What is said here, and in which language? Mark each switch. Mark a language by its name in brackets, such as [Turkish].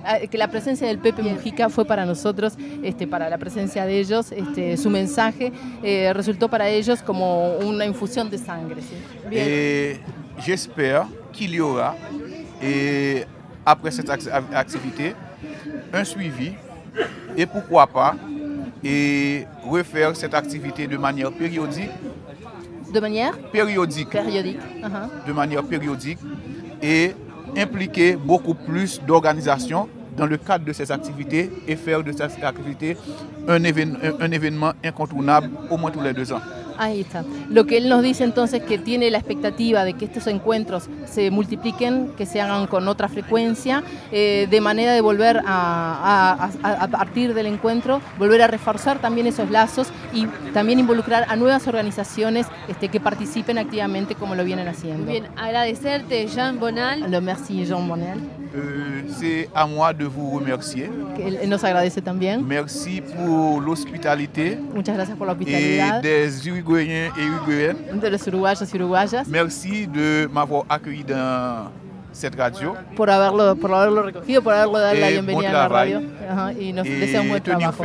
[French] Que la présence de [Spanish] Pepe Mujica fue para nosotros, para la presencia de ellos, su mensaje resultó para ellos como una infusión de sangre. [French] J'espère qu'il y aura. Et après cette activité, un suivi et pourquoi pas et refaire cette activité de manière périodique. De manière périodique. Périodique. De manière périodique et impliquer beaucoup plus d'organisations dans le cadre de ces activités et faire de ces activités un événement incontournable au moins tous les deux ans. [Spanish] Ahí está. Lo que él nos dice entonces que tiene la expectativa de que estos encuentros se multipliquen, que se hagan con otra frecuencia, de manera de volver a partir del encuentro, volver a reforzar también esos lazos y también involucrar a nuevas organizaciones que participen activamente como lo vienen haciendo. Bien, agradecerte, Jean Bonal. [French] Le merci, Jean Bonal. C'est à moi de vous remercier. [Spanish] Él nos agradece también. [French] Merci pour l'hospitalité. [Spanish] Muchas gracias por la hospitalidad. [French] Uruguayens et Uruguayennes. [Spanish] De los uruguayos y uruguayas. [French] Merci de m'avoir accueilli dans cette radio. [Spanish] Por haberlo recogido, por haberlo dado la bienvenida [French] bon [Spanish] a la radio. Y nos deseamos buen trabajo.